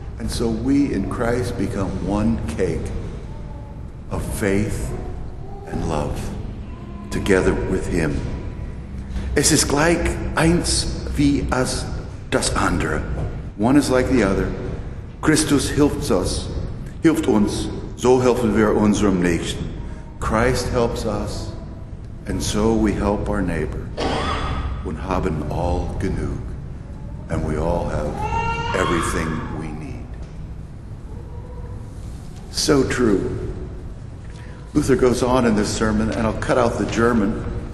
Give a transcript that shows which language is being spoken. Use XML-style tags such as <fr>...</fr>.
<en>And so we in Christ become one cake of faith and love together with him.</en> <de>Es ist gleich eins wie as das andere.</de> <en>One is like the other.</en> <de>Christus hilft uns, so helfen wir unserem Nächsten.</de> <en>Christ helps us, and so we help our neighbor.</en> <de>Und haben all genug,</de> <en>and we all have everything we need. So true. Luther goes on in this sermon, and I'll cut out the German.</en>